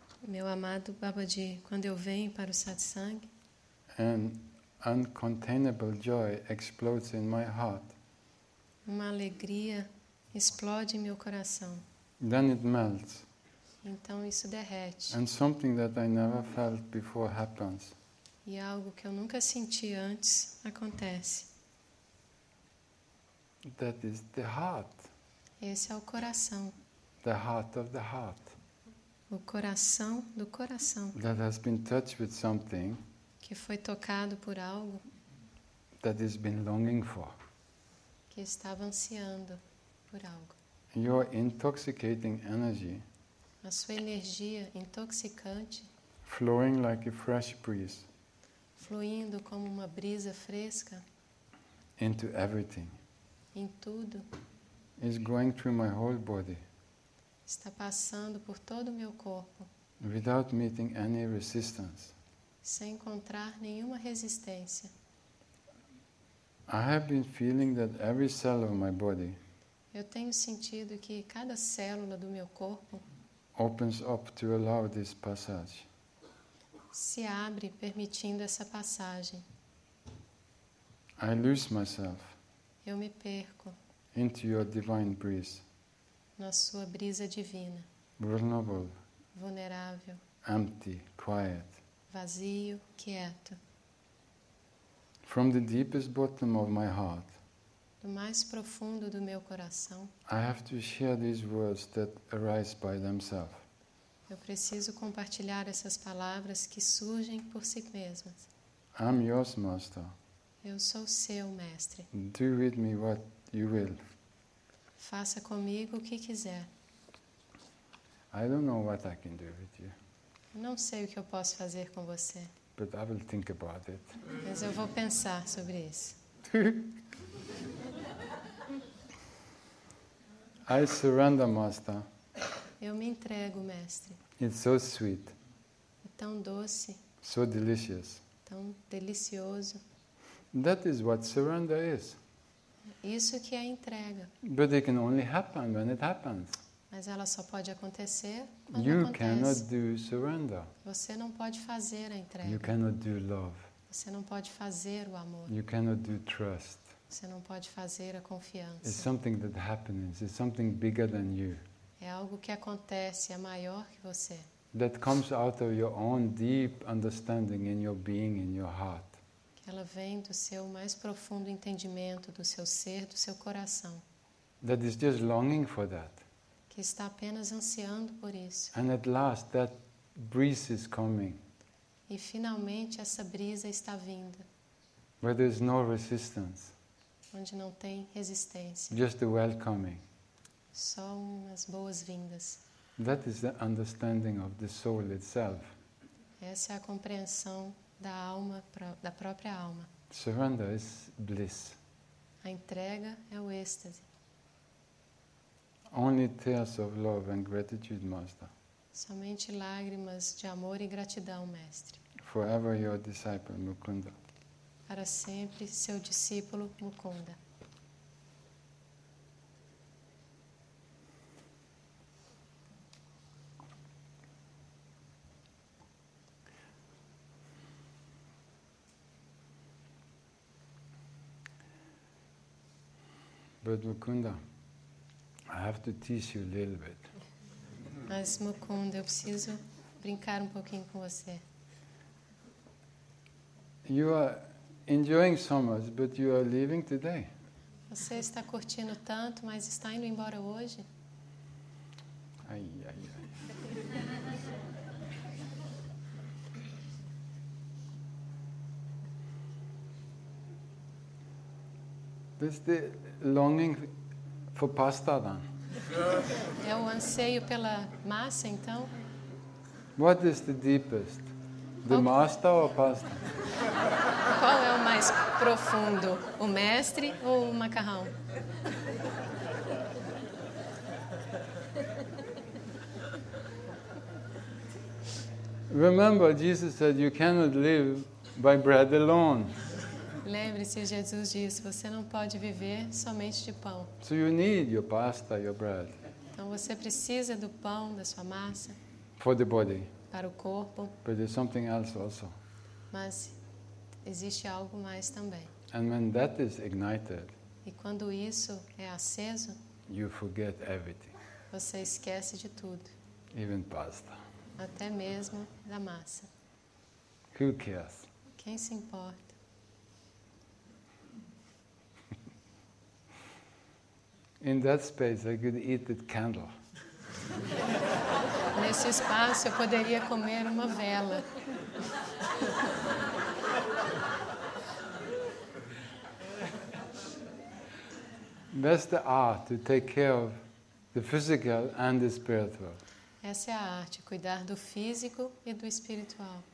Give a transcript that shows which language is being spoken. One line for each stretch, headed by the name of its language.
Portuguese: meu amado Babaji, quando eu venho para o satsang,
English: an uncontainable joy explodes in my heart.
Portuguese: Uma alegria explode em meu coração.
English: Then it melts.
Portuguese: Então isso derrete.
English: And something that I never felt before happens.
Portuguese: E algo que eu nunca senti antes acontece.
English: That is the heart.
Portuguese: Esse é o coração.
English: The heart of the heart.
Portuguese: O coração do coração.
English: That has been touched with something.
Portuguese: Que foi tocado por algo.
English: That has been longing for.
Portuguese: Que estava ansiando por algo.
English: Your intoxicating energy.
Portuguese: A sua energia intoxicante.
English: Flowing like a fresh breeze.
Portuguese: Fluindo como uma brisa fresca.
English: Into everything.
Portuguese: Em tudo.
English: Is going through my whole body.
Portuguese: Está passando por todo o meu corpo.
English: Without meeting any resistance.
Portuguese: Sem encontrar nenhuma resistência.
English: I have been feeling that every cell of my body.
Portuguese: Eu tenho sentido que cada célula do meu corpo.
English: Opens up to allow this passage.
Portuguese: Se abre permitindo essa passagem.
English: I lose myself.
Portuguese: Eu me perco.
English: Into your divine breeze.
Portuguese: Na sua brisa divina.
English: Vulnerable.
Portuguese: Vulnerável.
English: Empty, quiet.
Portuguese: Vazio, quieto.
English: From the deepest bottom of my heart.
Portuguese: Do mais profundo do meu coração.
English: I have to share these words that arise by themselves.
Portuguese: Eu preciso compartilhar essas palavras que surgem por si mesmas.
English: I'm yours, Master.
Portuguese: Eu sou seu mestre.
English: Do with me what you will.
Portuguese: Faça comigo o que quiser.
English: I don't know what I can do with you.
Portuguese: Não sei o que eu posso fazer com você.
English: But I will think about it.
Portuguese: Mas eu vou pensar sobre isso.
English: I surrender, Master.
Portuguese: Eu me entrego, mestre.
English: It's so sweet.
Portuguese: É tão doce.
English: So delicious.
Portuguese: Tão delicioso.
English: That is what surrender is.
Portuguese: Isso que é entrega.
English: But it can only happen when it happens.
Portuguese: Mas ela só pode acontecer quando
English: you
Portuguese: acontece.
English: Cannot do surrender.
Portuguese: Você não pode fazer a entrega.
English: You cannot do love.
Portuguese: Você não pode fazer o amor.
English: You cannot do trust.
Portuguese: Você não pode fazer a confiança.
English: It's something that happens. It's something bigger than you.
Portuguese: É algo que acontece, é maior que você.
English: That comes out of your own deep understanding in your being, in your heart.
Portuguese: Ela vem do seu mais profundo entendimento, do seu ser, do seu coração.
English: That is just longing for that.
Portuguese: Que está apenas ansiando por isso.
English: And at last that breeze is coming.
Portuguese: E finalmente essa brisa está vindo.
English: Where there is no resistance.
Portuguese: Onde não tem resistência.
English: Just the welcoming.
Portuguese: Só umas boas-vindas.
English: That is the understanding of the soul itself.
Portuguese: Essa é a compreensão da alma, da própria alma.
English: Surrender is bliss.
Portuguese: A entrega é o êxtase.
English: Only tears of love and gratitude, Master.
Portuguese: Somente lágrimas de amor e gratidão, Mestre.
English: Forever your disciple, Mukunda.
Portuguese: Para sempre, seu discípulo, Mukunda.
English: But Mukunda, I have to tease you a little bit.
Portuguese: Mas Mukunda, eu preciso brincar um pouquinho com você.
English: You are enjoying so much, but you are leaving today.
Portuguese: Você está curtindo tanto, mas está indo embora hoje? Ai, ai, ai.
English: This the longing for pasta then.
Portuguese: É o anseio pela massa, então?
English: What is the deepest? The master or pasta?
Portuguese: Qual é o mais profundo? O mestre ou o macarrão?
English: Remember, Jesus said you cannot live by bread alone.
Portuguese: Lembre-se, Jesus disse, você não pode viver somente de pão.
English: So you need your pasta, your bread.
Portuguese: Então você precisa do pão, da sua massa.
English: For the body.
Portuguese: Para o corpo.
English: But there's something else also.
Portuguese: Mas existe algo mais também.
English: And when that is ignited,
Portuguese: e quando isso é aceso,
English: you forget everything.
Portuguese: Você esquece de tudo.
English: Even pasta.
Portuguese: Até mesmo da massa.
English: Who cares?
Portuguese: Quem se importa?
English: In that space, I could eat the candle.
Portuguese: Nesse espaço, eu poderia comer uma vela.
English: That's the art, to take care of the physical and the spiritual.
Portuguese: Essa é a arte, cuidar do físico e do espiritual.